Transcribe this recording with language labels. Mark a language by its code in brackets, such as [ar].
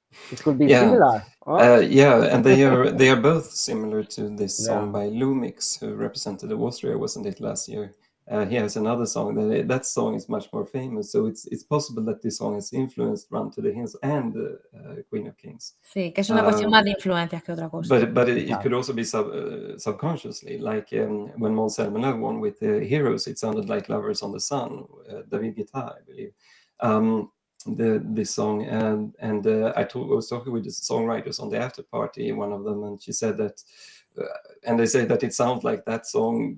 [en] It could be similar. And they are both similar to this song by Lumix, who represented Austria, wasn't it, last year? He has another song. That song is much more famous. So it's possible that this song has influenced Run to the Hills and Queen of Kings. [es] Sí, que es una cuestión más de influencias que otra cosa. [en] But it could also be subconsciously, like when Måns Zelmerlöw won with the Heroes, it sounded like Lovers on the Sun, David Guetta, I believe. This song, I was talking with the songwriters on the after party, one of them, and she said that, and they say that it sounds like that song.